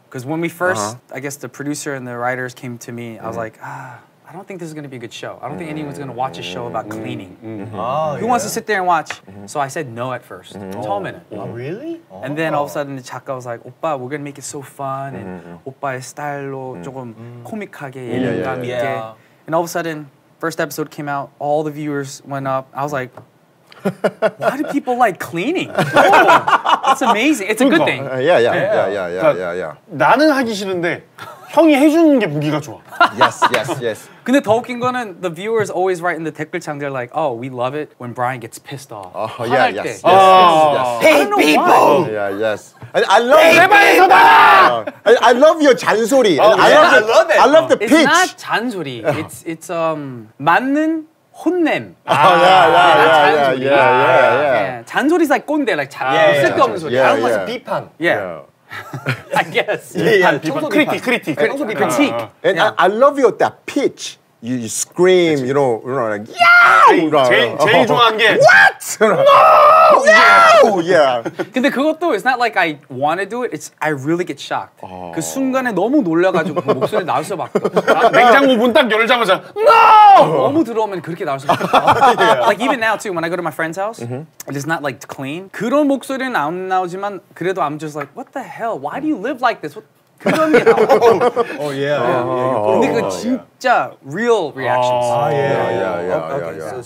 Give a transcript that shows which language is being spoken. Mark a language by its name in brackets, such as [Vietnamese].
[English] Because when we first, I guess the producer and the writers came to me, I was like, I don't think this is going to be a good show. I don't think anyone's going to watch a show about cleaning. Who wants to sit there and watch? So I said no at first. [Korean] 처음에는. [English] Really? And then all of a sudden, the 작가 was like, 오빠, we're going to make it so fun. [Korean] And 오빠의 스타일로 조금 코믹하게, 예능감 있게. [English] And all of a sudden, first episode came out, all the viewers went up. I was like, why do people like cleaning? That's amazing. It's a good thing. Yeah. [Korean] 나는 하기 싫은데 형이 해주는 게 무기가 좋아. [English] Yes. [Korean] 근데 더 웃긴 거는 [English] the viewers always write in the 댓글창 they're like, oh, we love it when Brian gets pissed off. Yes. Hey people. I love it. Hey people. I love your 잔소리. I love it. I love the pitch. It's not 잔소리. It's 맞는. 혼냄. Yeah. [Korean] 잔소리 사이 꼰대, like 쓸데없는 소리. 다른 것은 비판. [English] Yeah. I guess. Yeah. Critique. Critique. And I love your that pitch. You scream, you know, like, yeah! [Korean] 제일 좋아한 게. [English] What? No! Yeah. [Korean] 근데 그것도, [English] it's not like I want to do it. It's I really get shocked. [Korean] 그 순간에 너무 놀라가지고 그 목소리를 나올 수 밖에. 냉장고 문 딱 열자마자, no! 너무 들어오면 그렇게 나올 수 밖에. [English] Like even now too, when I go to my friend's house, it's not like clean. [Korean] 그런 목소리는 안 나오지만 그래도 [English] I'm just like, what the hell? Why do you live like this? [Korean] 그런 게 나와. 근데 그 진짜 [English] real reactions.